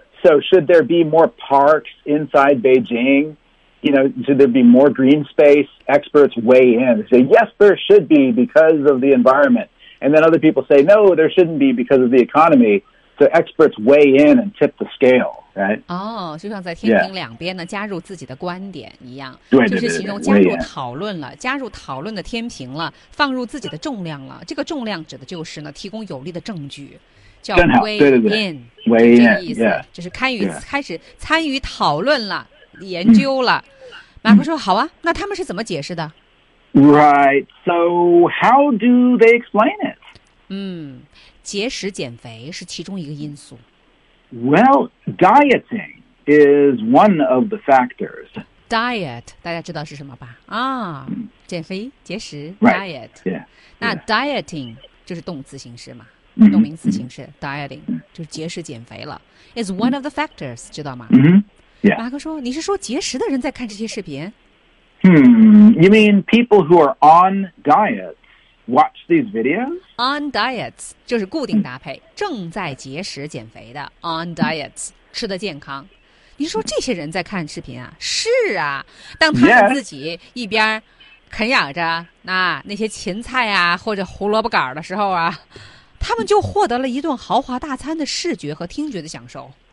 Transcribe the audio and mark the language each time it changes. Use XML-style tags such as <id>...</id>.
<en>So should there be more parks inside Beijing? You know, should there be more green space? Experts weigh in. They say, yes, there should be because of the environment. And then other people say, no, there shouldn't be because of the economy. So experts weigh in and tip the scale.</en> <zh>就像在天平两边呢、 yeah. 加入自己的观点一样对就是形容加入讨论了加入讨论的天平了放入自己的重量了这个重量指的就是呢提供有力的证据叫</zh> <en>weigh in</en> <zh>这意思、 yeah. 就是开始参与讨论了研究了、马克说好啊那他们是怎么解释的</zh> <en>Right, so how do they explain it?</en> <zh>节食减肥是其中一个因素</zh> <en>Well, dieting is one of the factors.</en> <zh>Diet, 大家知道是什么吧？减肥、节食 right,</zh> <en>，diet. Yeah.</en> <zh>那 dieting 就是动词形式嘛， mm-hmm, 动名词形式、 mm-hmm. dieting 就是节食减肥了。</zh> <en>Is one of the factors,</en> <zh>知道吗？ Yeah. 马克说，你是说节食的人在看这些视频</zh> <en>You mean people who are on diets watch these videos? On diets</en> <zh>就是固定搭配。正在节食减肥的</zh> <en>on diets</en> <zh>吃的健康你说这些人在看视频啊是啊当他们自己一边啃咬着那些芹菜啊或者胡萝卜杆的时候啊他们就获得了一顿豪华大餐的视觉和听觉的享受</zh>